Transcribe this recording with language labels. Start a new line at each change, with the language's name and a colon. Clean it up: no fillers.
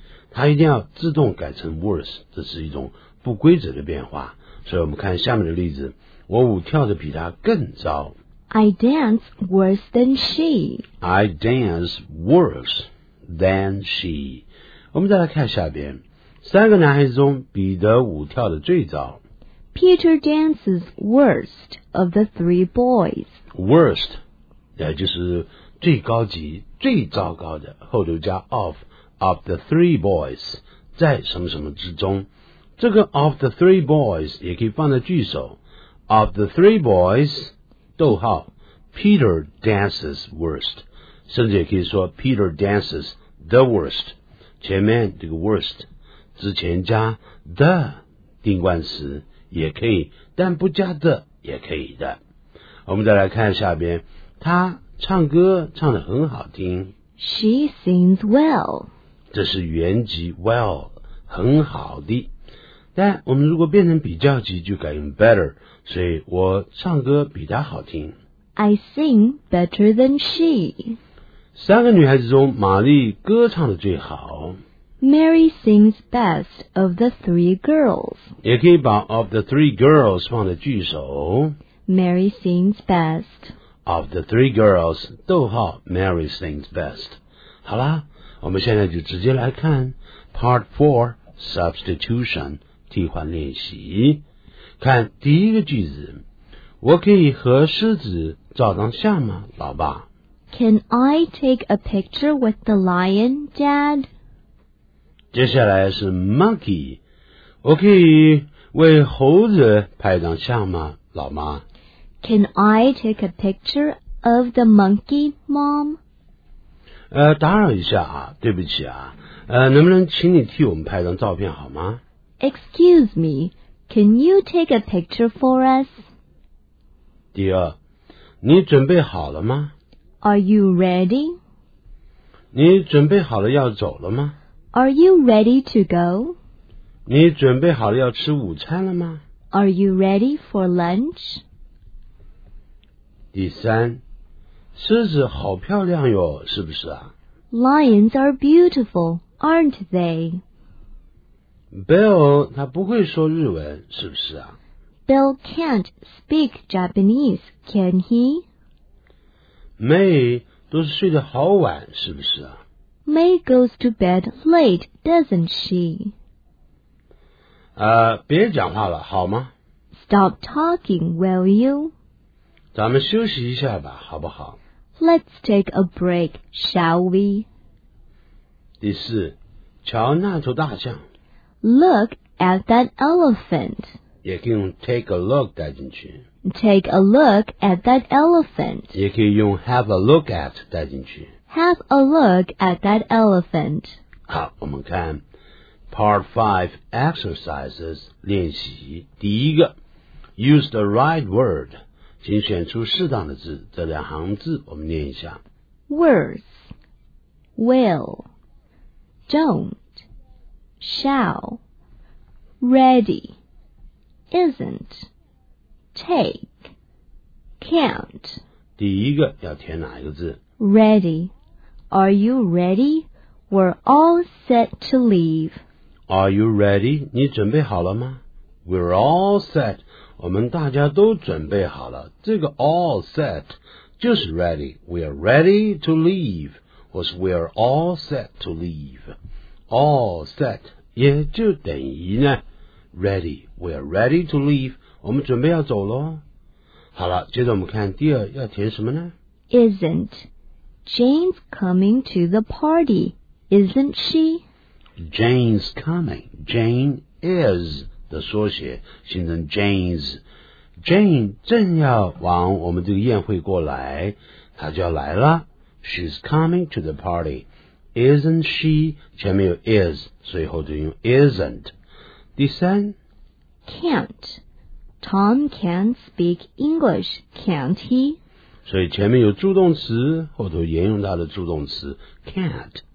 Chinese: 它一定要自动改成 worse, 这是一种不规则的变化。所以我们看下面的例子，我舞跳得比他更糟。
English: I dance worse than she. I dance worse than she.
Chinese: 我们再来看下边，三个男孩子中，彼得舞跳的最糟。
English: Peter dances worst of the three boys.
Chinese: Worst, 也就是最高级、最糟糕的，后头加
English: of the three boys,
Chinese: 在什么什么之中。这个
English: of the three boys
Chinese: 也可以放在句首 ，of the three boys。逗号
English: Peter dances worst,
Chinese: 甚至也可以说
English: Peter dances the worst,
Chinese: 前面这个 worst, 之前加 the 定冠词也可以，但不加 the 也可以的。我们再来看下边，他唱歌唱得很好听。
English: She sings well.
Chinese: 这是原级 well, 很好的。但我们如果变成比较级就改用 better, 所以我唱歌比她好听。
English: I sing better than she.
Chinese: 三个女孩子中玛丽歌唱的最好。
English: Mary sings best of the three girls.
Chinese: 也可以把
English: of the three girls
Chinese: 放在句首。
English: Mary sings best. Of the three girls,
Chinese: 逗号
English: Mary sings best.
Chinese: 好啦，我们现在就直接来看
English: part 4 substitution。
Chinese: 替换练习，看第一个句子，我可以和狮子照张相吗，老爸
English: ？Can I take a picture with the lion, Dad?
Chinese: 接下来是 monkey， 我可以为猴子拍张相吗，老妈
English: ？Can I take a picture of the monkey, Mom？
Chinese: 打扰一下啊，对不起啊，能不能请你替我们拍张照片好吗？
English: Excuse me, can you take a picture for us?
Chinese: 第二，你准备好了吗？
English: Are you ready?
Chinese: 你准备好了要走了吗？
English: Are you ready to go?
Chinese: 你准备好了要吃午餐了吗？
English: Are you ready for lunch?
Chinese: 第三，狮子好漂亮哟，是不是啊？
English: Lions are beautiful, aren't they?
Chinese: Bill, 他不会说日文，是不是啊？
English: Bill can't speak Japanese, can he?
Chinese: May 都是睡得好晚，是不是啊？
English: May goes to bed late, doesn't she?
Chinese: 别讲话了，好吗？
English: Stop talking, will you?
Chinese: 咱们休息一下吧，好不好？
English: Let's take a break, shall we?
Chinese: 第四，瞧那头大象。
English: Look at that elephant.
Chinese: 也可以用
English: take a look
Chinese: 带进去。
English: Take a look at that elephant.
Chinese: 也可以用
English: have a look at
Chinese: 带进去。
English: Have a look at that elephant.
Chinese: 好，我们看
English: part 5 exercises
Chinese: 练习。第一个
English: use the right word，
Chinese: 请选出适当的字。这两行字我们念一下。
English: Words, will, don't. Shall, ready, isn't, take, can't.
Chinese: 第一个要填哪一个字
English: ？Ready. Are you ready? We're all set to leave. Are you ready?
Chinese: 你准备好了吗 ？
English: We're all set.
Chinese: 我们大家都准备好了。这个
English: all set
Chinese: 就是
English: ready. We're ready to leave. 或是 We're all set to leave. All set.
Chinese: 也就等于呢 ，
English: ready， we're ready to leave，
Chinese: 我们准备要走咯。好了，接着我们看第二要填什么呢
English: ？Isn't， Jane's coming to the party, isn't she? Jane's coming.
Chinese: Jane is 的缩写，形成 Jane's。 Jane 正要往我们这个宴会过来，她就要来了。
English: She's coming to the party, isn't she?
Chinese: 前面有 is, 所以后就用 isn't。第三
English: ，can't。 Tom can't speak English, can't he?
Chinese: 所以前面有助动词，后头沿用它的助动词 can't。